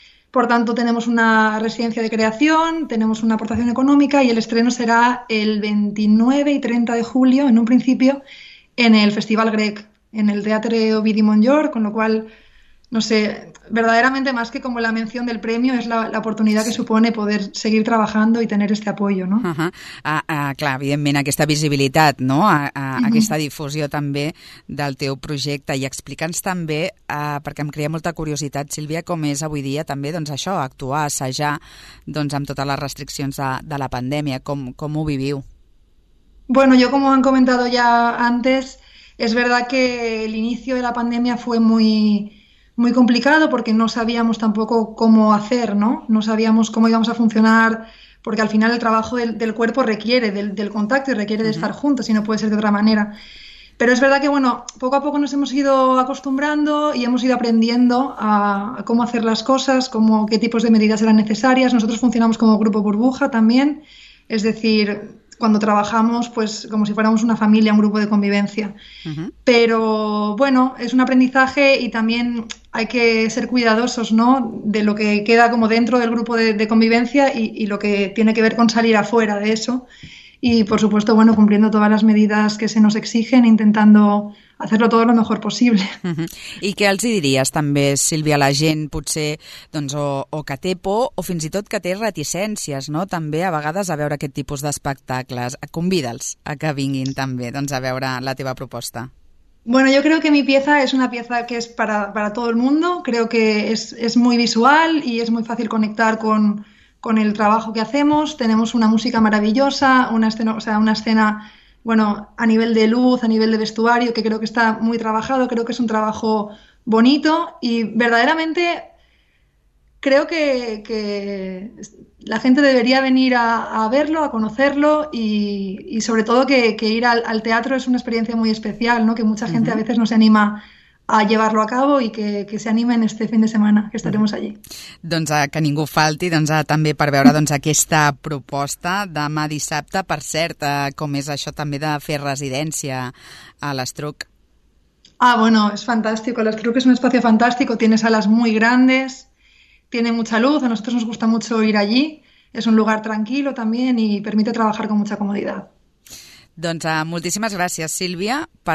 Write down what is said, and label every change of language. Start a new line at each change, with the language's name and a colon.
Spanish: Por tanto, tenemos una residencia de creación, tenemos una aportación económica y el estreno será el 29 y 30 de julio, en un principio, en el Festival Grec, en el Teatre Ovidi Montllor, con lo cual, no sé, verdaderamente más que como la mención del premio, es la oportunidad que supone poder seguir trabajando y tener este apoyo, ¿no?
Catalan: Clar, evidentment, aquesta visibilitat, no? Aquesta difusió també del teu projecte. I explica'ns també, perquè em crea molta curiositat, Sílvia, com és avui dia també doncs, això, actuar, assajar doncs, amb totes les restriccions de la pandèmia. Com ho viviu?
Spanish: Bueno, yo como han comentado ya antes, es verdad que el inicio de la pandemia fue muy... muy complicado porque no sabíamos tampoco cómo hacer, ¿no? No sabíamos cómo íbamos a funcionar porque al final el trabajo del cuerpo requiere del contacto y requiere de estar juntos y no puede ser de otra manera. Pero es verdad que, bueno, poco a poco nos hemos ido acostumbrando y hemos ido aprendiendo a cómo hacer las cosas, cómo, qué tipos de medidas eran necesarias. Nosotros funcionamos como grupo burbuja también, es decir, cuando trabajamos, pues como si fuéramos una familia, un grupo de convivencia. Pero bueno, es un aprendizaje y también hay que ser cuidadosos, ¿no? De lo que queda como dentro del grupo de convivencia y lo que tiene que ver con salir afuera de eso. Y por supuesto, bueno, cumpliendo todas las medidas que se nos exigen, intentando hacerlo todo lo mejor posible.
Catalan: I què els hi diries també, Sílvia, a la gent potser doncs, o que té por o fins i tot que té reticències no? també a vegades a veure aquest tipus d'espectacles. Convida'ls a que vinguin també doncs, a veure la teva proposta.
Spanish: Bueno, yo creo que mi pieza es una pieza que es para todo el mundo. Creo que es muy visual y es muy fácil conectar con el trabajo que hacemos. Tenemos una música maravillosa, una escena, o sea, una escena, bueno, a nivel de luz, a nivel de vestuario, que creo que está muy trabajado. Creo que es un trabajo bonito y verdaderamente creo que la gente debería venir a verlo, a conocerlo y sobre todo que ir al teatro es una experiencia muy especial, ¿no? Que mucha gente a veces no se anima a llevarlo a cabo y que se animen este fin de semana, que estaremos allí.
Catalan: Doncs que ningú falti doncs, també per veure doncs, aquesta proposta demà dissabte, per cert, com és això també de fer residència a l'Estruc.
Spanish: Ah, bueno, es fantástico. El Estruc es un espacio fantástico, tiene salas muy grandes. Tiene mucha luz, a nosotros nos gusta mucho ir allí, es un lugar tranquilo también y permite trabajar con mucha comodidad.
Catalan: Doncs moltíssimes gràcies, Sílvia, per